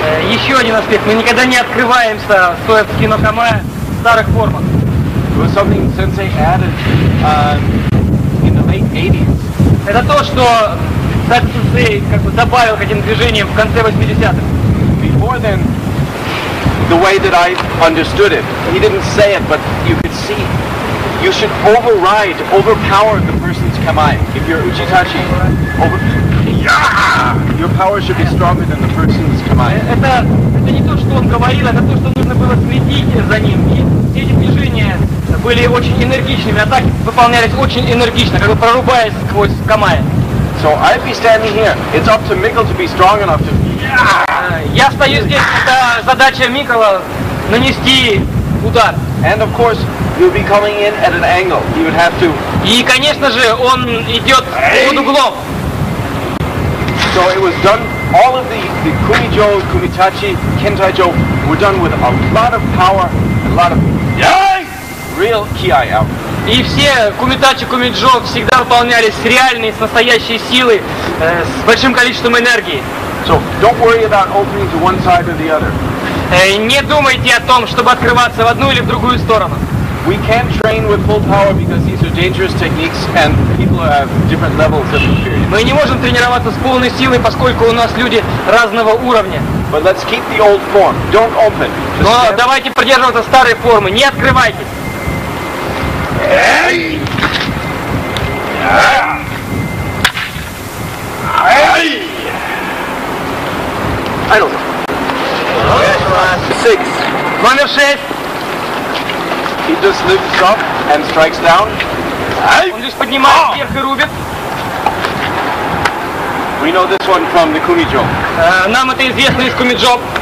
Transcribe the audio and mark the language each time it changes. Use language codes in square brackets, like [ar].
[ru] Еще один аспект. Мы никогда не открываемся, стоя в кинокамае в старых формах. [en] It was something Sensei added in the late 80s. [ru] Это то, что Сенсей как бы добавил к этим движениям в конце 80-х. [en] Before then, the way that I understood it, he didn't say it, but you could see, you should override, overpower the person's kamae. If you're Uchitachi, over. Yeah! Your power should be stronger than the person's kamae. [ru] Это не то, что он говорил, это то, что нужно было следить за ним. И эти движения были очень энергичными, атаки выполнялись очень энергично, как бы прорубаясь сквозь камай. [en] So I'd be standing here. It's up to Mikkel to be strong enough to. [ru] Я стою здесь, это задача Микола нанести удар. [en] And of course, you'd be coming in at an angle. You would have to. [ru] И конечно же, он идет под углом. [en] So it was done, all of the Kumijo, Kumitachi, Kentaijo were done with a lot of power, a lot of real ki out. [ru] И все Кумитачи, Кумиджо всегда выполнялись с реальной, с настоящей силой, с большим количеством энергии. [en] So don't worry about opening to one side or the other. [ru] Не думайте о том, чтобы открываться в одну или в другую сторону. [en] We can train with full power because these are dangerous techniques and people have different levels of experience. [ru] Мы не можем тренироваться с полной силой, поскольку у нас люди разного уровня. [en] But let's keep the old form. Don't open. [ru] Но давайте придерживаться старой формы. Не открывайтесь. Эй! Эй! [en] I don't know. Six. [ru] Номер шесть. [en] He just lifts up and strikes down. [ru] Он лишь поднимает вверх и рубит. [en] We know this one from the Kumijo. [ru] Нам это известно из Kumijo.